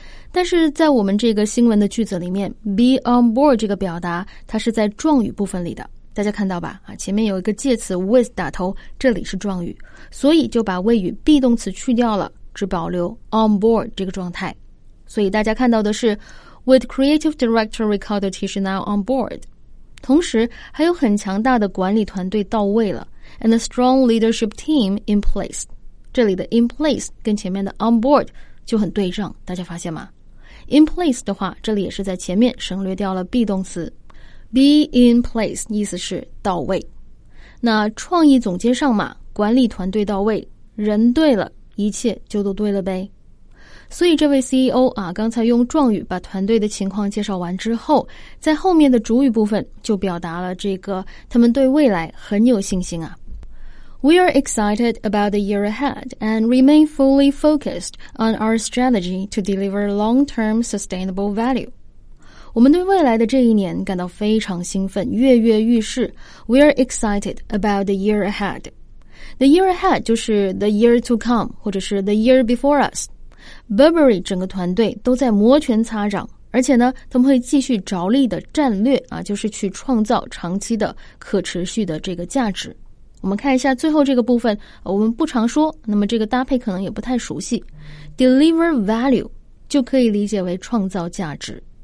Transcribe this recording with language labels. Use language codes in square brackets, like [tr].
[zh] 但是在我们这个新闻的句子里面 be on board 这个表达它是在状语部分里的。大家看到吧啊，前面有一个介词 with 打头，这里是状语。所以就把谓语 be 动词去掉了，只保留 on board 这个状态。所以大家看到的是 [en] with creative director Ricardo Tichenor on board. [zh] 同时还有很强大的管理团队到位了 [en] and a strong leadership team in place. [zh] 这里的 in place 跟前面的 on board 就很对仗，大家发现吗？ in place 的话这里也是在前面省略掉了 be 动词， be in place 意思是到位。那创意总监上马，管理团队到位，人对了，一切就都对了呗。所以这位 CEO 啊，刚才用状语把团队的情况介绍完之后，在后面的主语部分就表达了这个他们对未来很有信心啊。 [en] We are excited about the year ahead and remain fully focused on our strategy to deliver long-term sustainable value. [zh] 我们对未来的这一年感到非常兴奋，跃跃欲试。 [en] We are excited about the year ahead. The year ahead [zh] 就是 [en] the year to come [zh] 或者是 [en] the year before us. [zh] Burberry 整个团队都在摩拳擦掌，而且呢他们会继续着力的战略啊，就是去创造长期的可持续的这个价值。我们看一下最后这个部分，我们不常说，那么这个搭配可能也不太熟悉， Deliver value 就可以理解为创造价值。